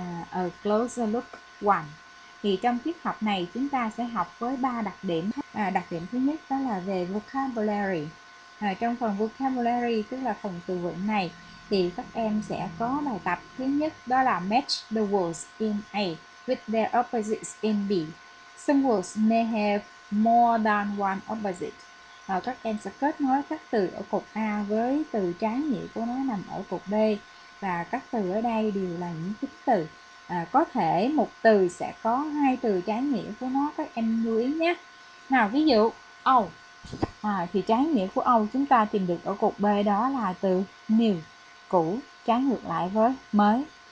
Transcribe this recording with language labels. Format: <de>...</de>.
<en>A Closer Look 1.</en> <vi>Thì trong tiết học này chúng ta sẽ học với 3 đặc điểm. Đặc điểm thứ nhất đó là về vocabulary. Trong phần vocabulary, tức là phần từ vựng này, thì các em sẽ có bài tập thứ nhất đó là</vi> <en>match the words in A with their opposites in B. Some words may have more than one opposite.</en> <vi>Các em sẽ kết nối các từ ở cục A với từ trái nghĩa của nó nằm ở cục B. Và các từ ở đây đều là những tính từ. Có thể một từ sẽ có hai từ trái nghĩa của nó, các em lưu ý nhé. Nào, ví dụ Âu, thì trái nghĩa của Âu chúng ta tìm được ở cục B, đó là từ new, cũ, trái ngược lại với mới.</vi>